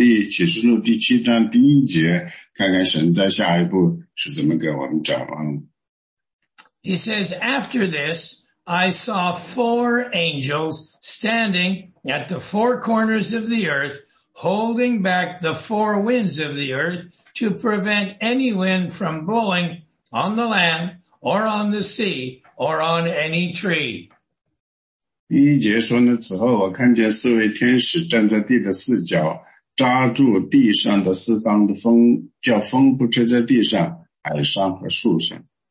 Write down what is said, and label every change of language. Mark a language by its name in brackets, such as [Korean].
[Chinese] 启示录第七章第一节,看看神在下一步是怎么给我们展望。He [English] says, after this, I saw four angels standing at the four corners of the earth, holding back the four winds of the earth, to prevent any wind from blowing on the land or on the sea or on any tree. [Chinese] 第一节说呢,此后我看见四位天使站在地的四角,抓住地上的四方的风,叫风不吹在地上,海上和树上。